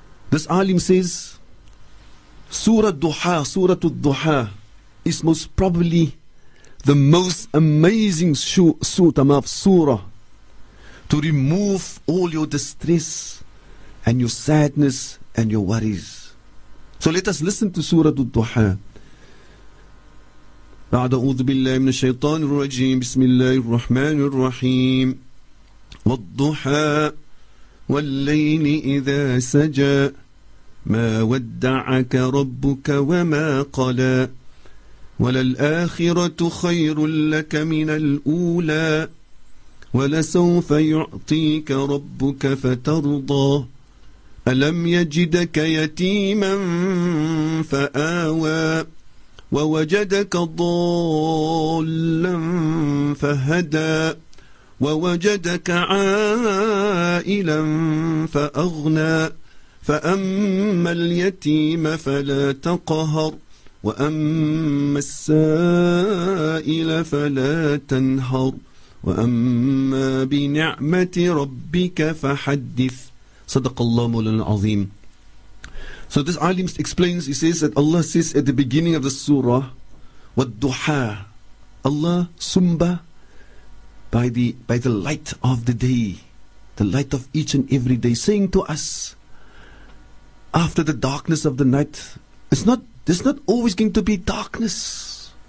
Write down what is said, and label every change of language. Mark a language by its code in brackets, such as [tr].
[en] This alim says, Surah Duha is most probably the most amazing surah to remove all your distress and your sadness and your worries. So let us listen to Surah Al-Duha. [ar] بعد أعوذ بالله من الشيطان الرجيم بسم الله الرحمن الرحيم والضحى والليل إذا سجى ما ودعك ربك وما قلى وللآخرة خير لك من الأولى ولسوف يعطيك ربك فترضى ألم يجدك يتيما فآوى ووجدك ضالا فهدى ووجدك عائلا فأغنى فأما اليتيم فلا تقهر وأما السائل فلا تنهر وأما بنعمة ربك فحدث صدق الله مولانا العظيم. [en] So this alim explains, he says that Allah says at the beginning of the surah, [ar] وَالْدُّحَى, [en] Allah Sumba, by the light of the day, the light of each and every day, saying to us, after the darkness of the night, there's not always going to be darkness.